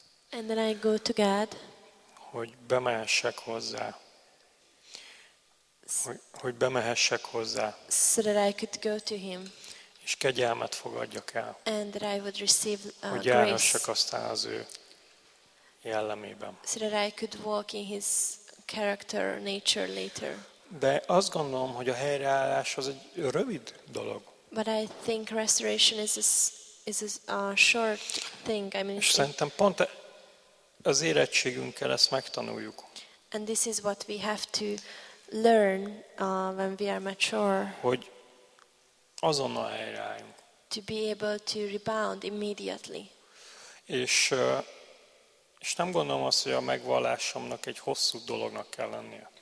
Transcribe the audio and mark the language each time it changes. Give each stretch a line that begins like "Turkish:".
English: And then I go to God.
Hungarian: Hogy bemehessek hozzá. Hogy bemehessek hozzá.
English: So that I could go to him.
Hungarian: És kegyelmet fogadjak el.
English: And that I would receive grace.
Hungarian: Hogy járhassak aztán az ő jellemében.
English: So that I could walk in his character, nature later.
Hungarian: De azt gondolom, hogy a helyreállás az egy rövid dolog.
English: But I think restoration is a short thing. I mean,
Hungarian: és szerintem pont az érettségünkkel ezt megtanuljuk.
English: And this is what we have to learn when we are mature.
Hungarian: Hogy azonnal helyreálljunk.
English: To be able to rebound immediately.
Hungarian: És nem gondolom azt, hogy a megvallásomnak egy hosszú dolognak kell lennie.